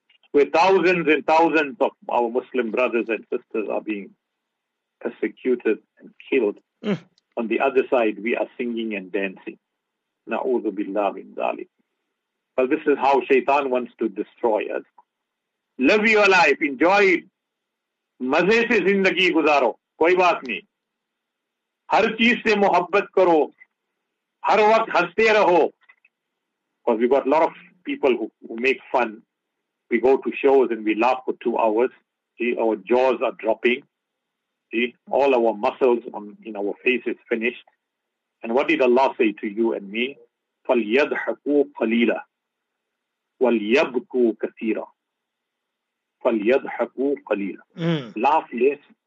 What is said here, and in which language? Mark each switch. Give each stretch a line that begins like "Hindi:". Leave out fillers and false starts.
English: Where thousands and thousands of our Muslim brothers and sisters are being persecuted and killed. On the other side, we are singing and dancing.
Arabic: نَعُوذُ بِاللَّهِ مِنْ ذَلِكَ.
English: Well, this is how shaitan wants to destroy us. Live your life, enjoy it.
Urdu: مَزَي سے زِندگی گزارو. کوئی بات نہیں, ہر چیز سے محبت کرو, ہر وقت ہنستے رہو.
English: Because we got a lot of people who make fun. We go to shows and we laugh for 2 hours. See, our jaws are dropping. See, all our muscles in our face is finished. And what did Allah say to you and me?
Arabic: فَلْيَضْحَكُوا قَلِيلًا وَلْيَبْكُوا كَثِيرًا فَلْيَضْحَكُوا قَلِيلًا.
English: Laugh less.